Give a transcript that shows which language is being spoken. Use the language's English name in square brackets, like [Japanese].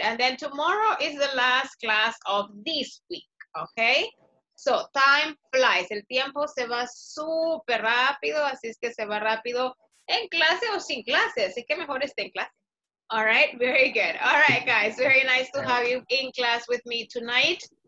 [English] And then tomorrow is the last class of this week. Okay. So, time flies. [Spanish] El tiempo se va súper rápido, así es que se va rápido en clase o sin clase. Así que mejor esté en clase. [English] All right, very good. All right, guys, very nice to have you in class with me tonight.